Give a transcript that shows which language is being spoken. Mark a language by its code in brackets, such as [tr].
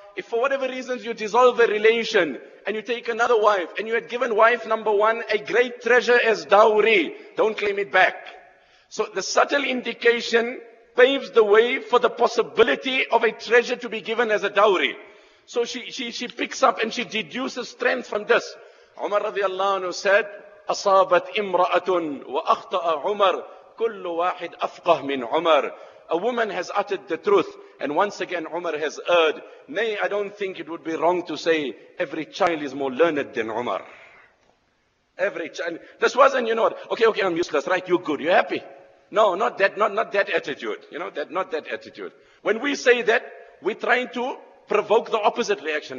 [en] If for whatever reasons you dissolve a relation and you take another wife and you had given wife number one a great treasure as dowry, don't claim it back. So the subtle indication paves the way for the possibility of a treasure to be given as a dowry. So she picks up and she deduces strength from this. Umar radiallahu anhu said, [ar] أصابت امرأة وأخطأ عمر كل واحد أفقه من عمر. [en] A woman has uttered the truth, and once again Umar has erred. Nay, I don't think it would be wrong to say every child is more learned than Umar. Every child. This wasn't, you know, okay, I'm useless, right? You're good, you're happy. No, not that attitude. You know, not that attitude. When we say that, we're trying to provoke the opposite reaction.